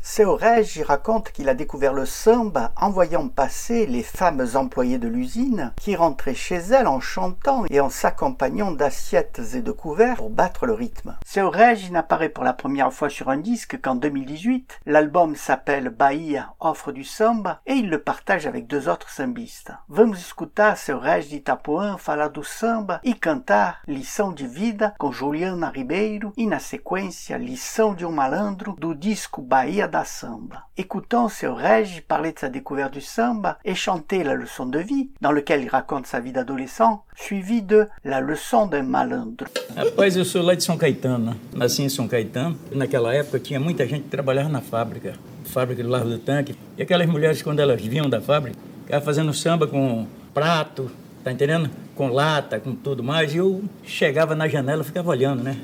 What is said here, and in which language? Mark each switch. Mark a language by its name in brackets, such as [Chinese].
[French] Seu Régis raconte qu'il a découvert le samba en voyant passer les femmes employées de l'usine qui rentraient chez elles en chantant et en s'accompagnant d'assiettes et de couverts pour battre le rythme. Seu Régis n'apparaît pour la première fois sur un disque qu'en 2018. L'album s'appelle Bahia, offre du samba et il le partage avec deux autres sambistes. [Portuguese] Vamos escutar Seu Régis de Itapuã falar do samba e cantar Lição de Vida com Juliana Ribeiro e na sequência Lição de um Malandro do disco Bahia da Samba. [French] Écoutons Seu Régis parlait de sa découverte du samba et chantait la leçon de vie dans lequel il raconte sa vie d'adolescent suivi de la leçon d'un malandro. [Portuguese] Rapaz, eu sou lá de São Caetano, nasci em São Caetano. Naquela época tinha muita gente que trabalhava na fábrica do Largo do Tanque, e aquelas mulheres, quando elas vinham da fábrica, ficavam fazendo samba com prato, tá entendendo? Com lata, com tudo mais, e eu chegava na janela, ficava olhando, né?